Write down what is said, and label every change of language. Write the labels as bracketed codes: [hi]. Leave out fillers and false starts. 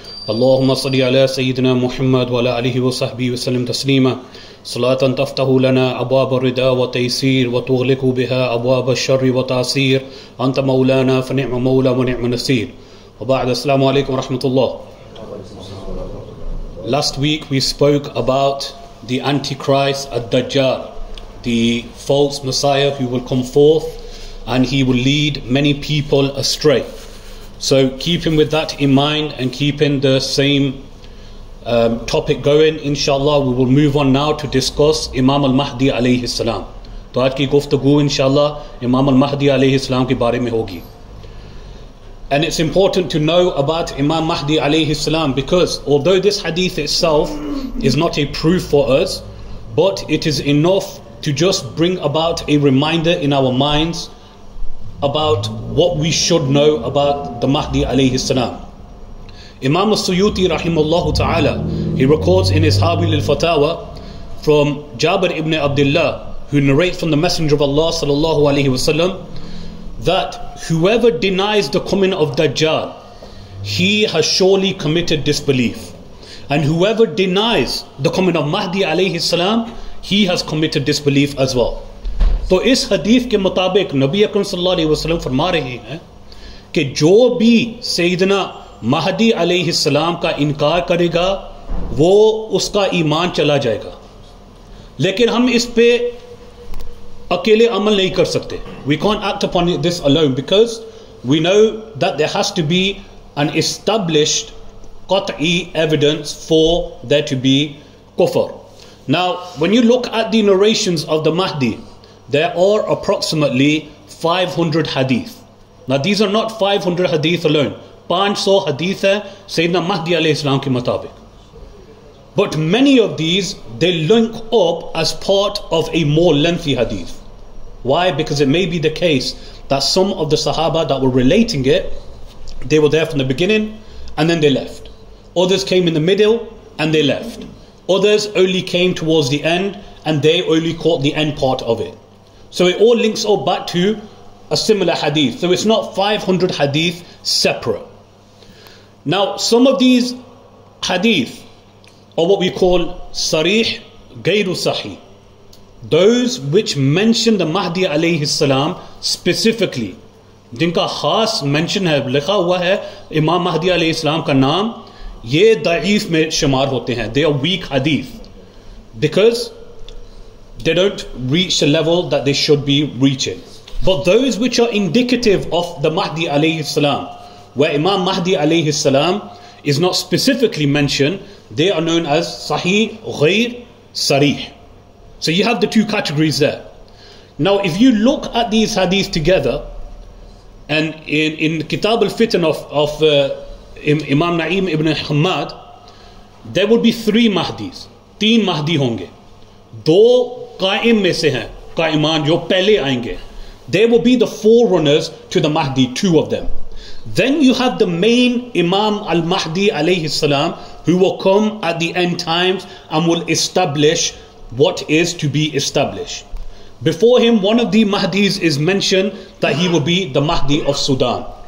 [ar] اللهم صل على سيدنا محمد وعلى آله وصحبه وسلم تسليما صلاة تفتح لنا أبواب الرضا وتيسير وتغلق بها أبواب الشر وتعسير أنت مولانا فنعم مولى ونعم نصير وبعد السلام عليكم ورحمة الله. [en] Last week we spoke about the Antichrist, Ad-Dajjal, the false Messiah who will come forth and he will lead many people astray. So keeping with that in mind and keeping the same topic going, inshallah, we will move on now to discuss Imam Al-Mahdi alayhi salam. [ur] تو آج کی گفتگو انشاءاللہ امام المہدی علیہ السلام کے بارے میں ہوگی۔ [en] And it's important to know about Imam Mahdi alayhi salam, because although this hadith itself is not a proof for us, but it is enough to just bring about a reminder in our minds about what we should know about the Mahdi alayhi salam. Imam al-Suyuti rahimahullah ta'ala, he records in his Habil al-Fatawa from Jabir ibn Abdullah, who narrates from the Messenger of Allah sallallahu alayhi wa sallam, that whoever denies the coming of Dajjal, he has surely committed disbelief. And whoever denies the coming of Mahdi alayhi salam, he has committed disbelief as well. [ur] سو اس حدیث کے مطابق، نبی اکرم صلی اللہ علیہ وسلم فرما رہے ہیں، کے جو بھی سیدنا مہدی علیہ السلام کا انکار کرے گا، وہ اس کا ایمان چلا جائے گا۔ لیکن ہم اس پہ اکیلے عمل نہیں کر سکتے۔ [en] We can't act upon this alone, because we know that there has to be an established qat'i evidence for there to be kufr. Now, when you look at the narrations of the Mahdi, there are approximately 500 hadith. Now, these are not 500 hadith alone. [ur] 500 حدیث ہے سیدنا مہدی علیہ السلام کے مطابق۔ [en] But many of these, they link up as part of a more lengthy hadith. Why? Because it may be the case that some of the sahaba that were relating it, they were there from the beginning and then they left. Others came in the middle and they left. Others only came towards the end and they only caught the end part of it. So it all links all back to a similar hadith. So it's not 500 hadith separate. Now, some of these hadith are what we call sarih gairu sahih, those which mention the Mahdi alayhi salam specifically. [ur] جن کا خاص mention ہے، لکھا ہوا ہے امام مہدی علیہ السلام کا نام، یہ ضعیف میں شمار ہوتے ہیں۔ [en] They are weak hadith because they don't reach the level that they should be reaching. But those which are indicative of the Mahdi alayhi salam, where Imam Mahdi alayhi salam is not specifically mentioned, they are known as sahih ghair sarih. So you have the two categories there. Now, if you look at these hadith together, and in Kitab al-Fitan of Imam Naim ibn Hamad, there will be three Mahdis. [ur] تین مہدی ہوں گے۔ دو قائم میں سے ہیں، قائمًا جو پہلے آئیں گے۔ [en] They will be the forerunners to the Mahdi, two of them. Then you have the main Imam al-Mahdi alayhi salam, who will come at the end times and will establish what is to be established. Before him, one of the Mahdis is mentioned that he will be the Mahdi of Sudan.